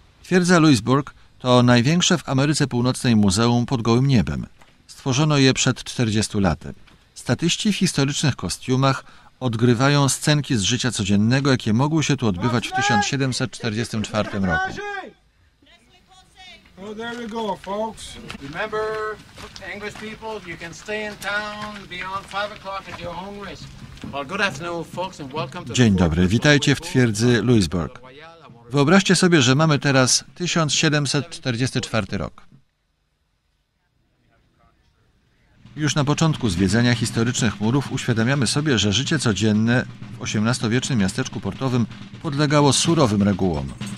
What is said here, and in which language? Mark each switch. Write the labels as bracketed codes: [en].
[pl] Twierdza Louisbourg to największe w Ameryce Północnej muzeum pod gołym niebem. Stworzono je przed 40 laty. Statyści w historycznych kostiumach odgrywają scenki z życia codziennego, jakie mogły się tu odbywać w 1744 roku. [en] Oh, there we go, folks. Remember, English people, you can stay in town beyond 5 o'clock at your own risk. Well, good afternoon, folks, and welcome to. [pl] Dzień dobry, witajcie w twierdzy Louisbourg. Wyobraźcie sobie, że mamy teraz 1744 rok. Już na początku zwiedzania historycznych murów uświadamiamy sobie, że życie codzienne w XVIII-wiecznym miasteczku portowym podlegało surowym regułom.